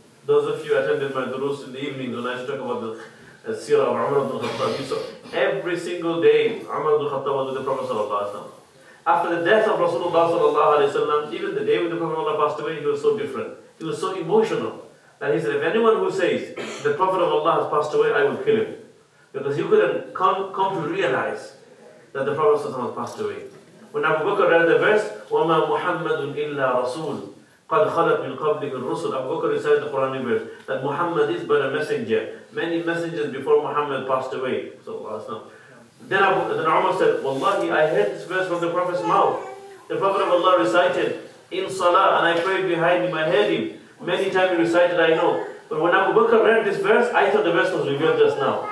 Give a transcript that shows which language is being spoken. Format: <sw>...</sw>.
<en>Those of you attended my durus in the evening when I used to talk about the seerah of Umar ibn Khattab, you saw every single day Umar ibn Khattab was with the Prophet sallallahu alaihi wasallam. After the death of Rasulullah sallallahu alaihi wasallam, even the day when the Prophet passed away, he was so different. He was so emotional that he said, if anyone who says the Prophet of Allah has passed away, I will kill him. Because he couldn't come to realize that the Prophet sallallahu alaihi wasallam passed away. When Abu Bakr read the verse,</en> <ar>وَمَا مُحَمَّدٌ إِلَّا رَسُولٌ قَدْ خَلَتْ مِنْ قَبْلِكَ الرُّسُلُ.</ar> <en>Abu Bakr recited the Quran in verse that Muhammad is but a messenger. Many messengers before Muhammad passed away. So then Umar said, Wallahi, I heard this verse from the Prophet's mouth. The Prophet of Allah recited in salah and I prayed behind him, I heard him. Many times he recited, I know. But when Abu Bakr read this verse, I thought the verse was revealed just now.</en>